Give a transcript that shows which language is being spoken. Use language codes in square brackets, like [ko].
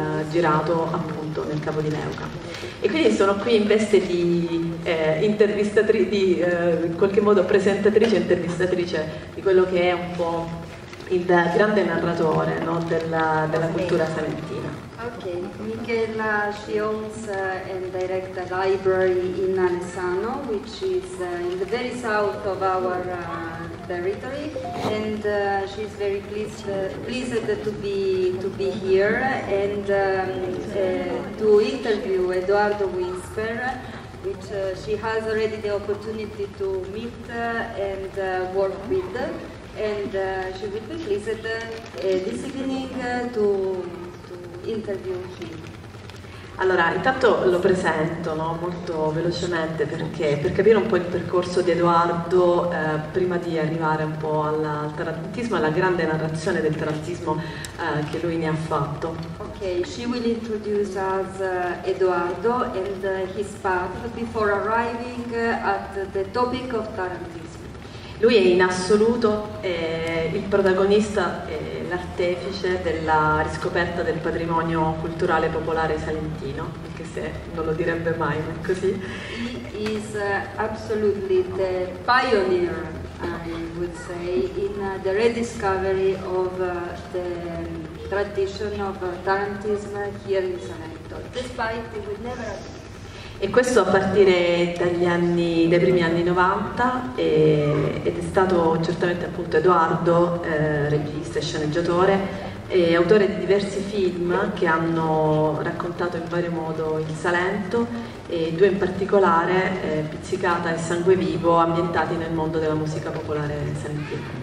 [it] girato appunto nel Capo di Leuca, e quindi sono qui in veste di intervistatrice, di in qualche modo presentatrice e intervistatrice di quello che è un po' il grande narratore, no, della cultura salentina. [en] Ok, Michela, she owns and directs a library in Alessano, which is in the very south of our territory, and she's very pleased to be here and to interview Edoardo Whisper, which she has already the opportunity to meet and work with. And she will be pleased this evening to interview him. [it] Allora, intanto lo presento, no? Molto velocemente, perché per capire un po' il percorso di Edoardo prima di arrivare un po' al tarantismo, alla grande narrazione del tarantismo che lui ne ha fatto. [en] Ok, she will introduce us Edoardo and his path before arriving at the topic of tarantismo. [it] Lui è in assoluto il protagonista e l'artefice della riscoperta del patrimonio culturale popolare salentino, anche se non lo direbbe mai, ma è così. [en] He is absolutely the pioneer, I would say, in the rediscovery of the tradition of Tarantism here in Salento, despite it would never have been. [it] E questo a partire dai primi anni 90, ed è stato certamente appunto Edoardo, regista e sceneggiatore, e autore di diversi film che hanno raccontato in vario modo il Salento, e due in particolare, Pizzicata e Sangue Vivo, ambientati nel mondo della musica popolare salentina.